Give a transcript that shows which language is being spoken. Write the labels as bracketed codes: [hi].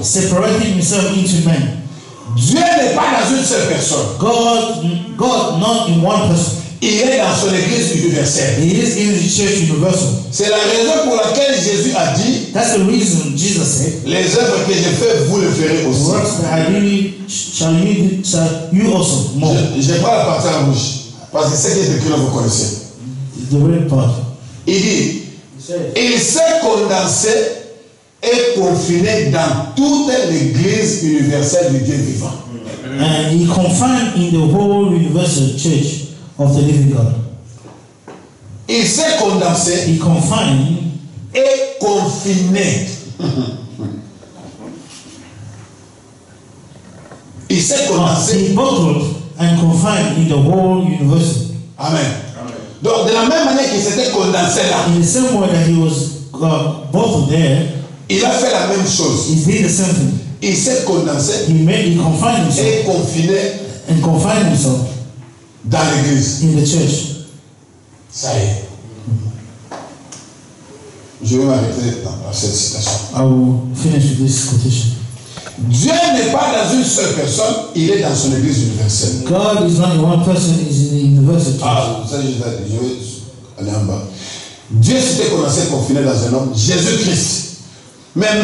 [en] Separating himself into man. [fr] Dieu n'est pas dans une seule personne. [en] God not in one person. [fr] Il est dans son église universelle. [en] He is in the church universal. [fr] C'est la raison pour laquelle Jésus a dit. [en] That's the reason Jesus said. [fr] Les œuvres que je fais, vous les ferez aussi. [en] Works that I do, shall you also more. [fr] Je parle à partir de la bouche, parce que c'est que depuis là vous connaissez. [en] The real part. [fr] Il dit. Il s'est condensé et confiné dans toute l'église universelle du Dieu vivant. [en] And he confined in the whole universal church. Of the living God. [fr] Il s'est condensé. [en] He confined. [fr] Et confiné. Il s'est condensé. [en] He bottled and confined in the whole universe. Amen. [fr] Donc de la même manière qu'il s'était condensé là. [en] In the same way that he was bottled there. [fr] Il a fait la même chose. [en] He did the same thing. [fr] Il s'est condensé. [en] He confined himself. [fr] Et confiné. [en] And confined himself. [fr] Dans l'église. [en] In the church. [fr] Ça y est. Je vais m'arrêter dans cette citation. [en] I will finish with this quotation. [fr] Dieu n'est pas dans une seule personne, il est dans son église universelle. [en] God is not in one person, he is in the universal church. [fr] Ah, ça je vais aller en bas. Dieu s'était commencé à confiner dans un homme, Jésus-Christ.